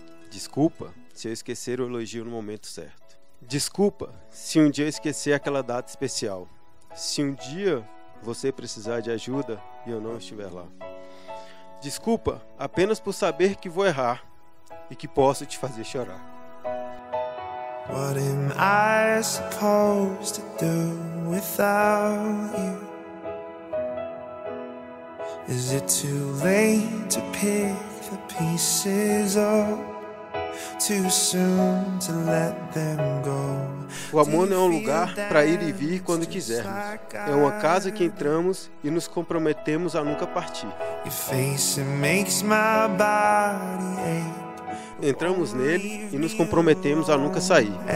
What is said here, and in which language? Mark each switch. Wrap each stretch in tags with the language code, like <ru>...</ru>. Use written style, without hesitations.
<pt>Desculpa se eu esquecer o elogio no momento certo. Desculpa se um dia eu esquecer aquela data especial. Se um dia você precisar de ajuda e eu não estiver lá. Desculpa apenas por saber que vou errar e que posso te fazer chorar.</pt> <en>What am I supposed to do without you? Is it too late to pick the pieces up? Too soon to let them go?</en> <pt>O amor não é um lugar para ir e vir quando quisermos. É uma casa que entramos e nos comprometemos a nunca partir.</pt> <en>Your face makes my body ache.</en> <pt>Entramos nele e nos comprometemos a nunca sair.</pt>